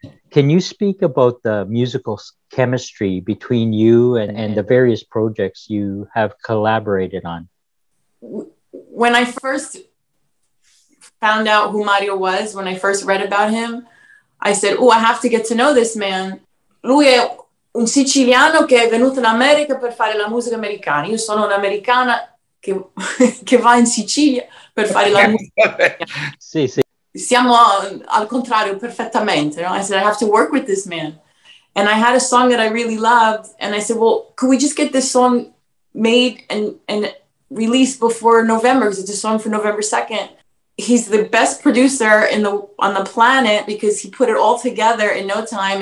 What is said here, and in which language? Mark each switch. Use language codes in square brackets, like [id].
[en] Can you speak about the musical chemistry between you and the various projects you have collaborated on? When I first found out who Mario was, when I first read about him, I said, oh, I have to get to know this man. [it] Lui è un siciliano che è venuto in America per fare la musica americana. Io sono un'americana che va in Sicilia per fare la musica. Sì, sì. Siamo al contrario, perfettamente. [en] I said, I have to work with this man. And I had a song that I really loved. And I said, well, could we just get this song made and released before November? Because it's a song for November 2nd. He's the best producer on the planet because he put it all together in no time.